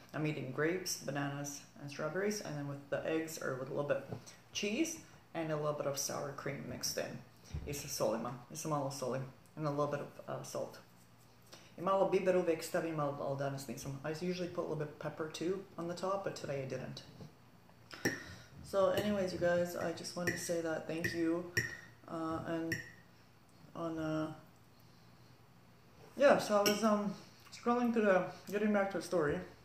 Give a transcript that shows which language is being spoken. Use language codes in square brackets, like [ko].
[en] I'm eating grapes, bananas and strawberries, and then with the eggs or with a little bit of cheese. And a little bit of sour cream mixed in. [hr] I sa solima. I sa malo soli. [en] And a little bit of salt. [hr] I malo biber uvijek stavim, ali danas nisam. [en] I usually put a little bit of pepper too on the top, but today I didn't. So anyways, you guys, I just wanted to say that thank you. So I was scrolling through getting back to the story.